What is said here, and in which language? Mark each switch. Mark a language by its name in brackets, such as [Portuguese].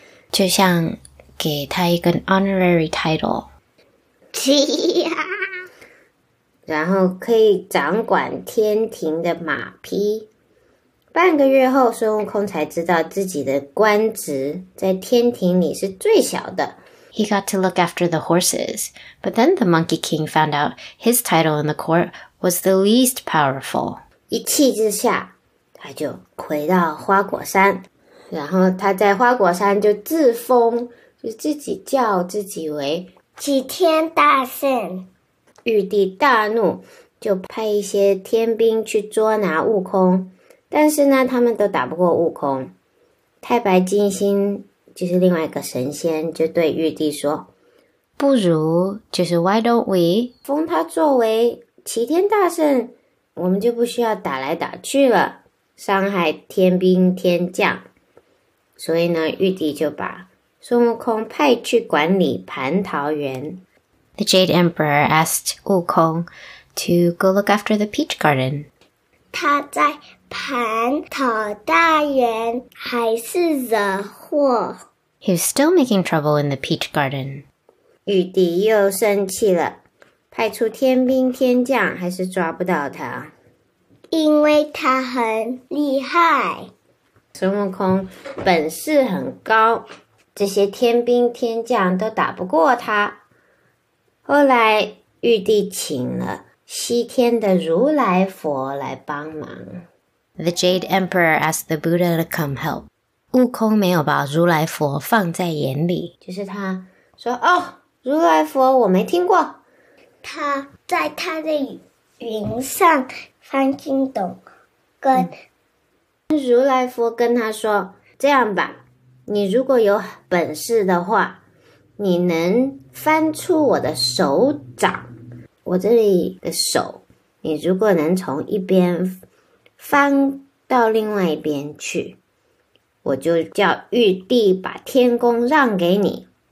[Chinese] 就像给他一个 [English] honorary title。 [Chinese] 是啊。然后可以掌管天庭的马匹。半个月后，孙悟空才知道自己的官职在天庭里是最小的。 [English] He got to look after the horses, but then the Monkey King found out his title in the court was the least powerful. [Chinese] 一气之下，他就回到花果山，然后他在花果山就自封，就自己叫自己为齐天大圣。玉帝大怒，就派一些天兵去捉拿悟空，但是呢，他们都打不过悟空。太白金星就是另外一个神仙就对玉帝说， [English] 不如就是 why don't we [Chinese] 封他作为齐天大圣，我们就不需要打来打去了，伤害天兵天将。所以呢，玉帝就把孙悟空派去管理蟠桃园。 [English] The Jade Emperor asked 悟空 to go look after the peach garden. [Chinese] 他在蟠桃大园还是惹祸。 [English] He was still making trouble in the peach garden. [Chinese] 玉帝又生气了，派出天兵天将还是抓不到他。因为他很厉害。孙悟空本事很高，这些天兵天将都打不过他。后来玉帝请了西天的如来佛来帮忙。 [English] The Jade Emperor asked the Buddha to come help. [Chinese] 悟空没有把如来佛放在眼里，就是他说，哦，如来佛我没听过。他在他的云上翻筋斗，跟如来佛跟他说，这样吧，你如果有本事的话，你能翻出我的手掌，我这里的手，你如果能从一边翻到另外一边去，我就叫玉帝把天宫让给你。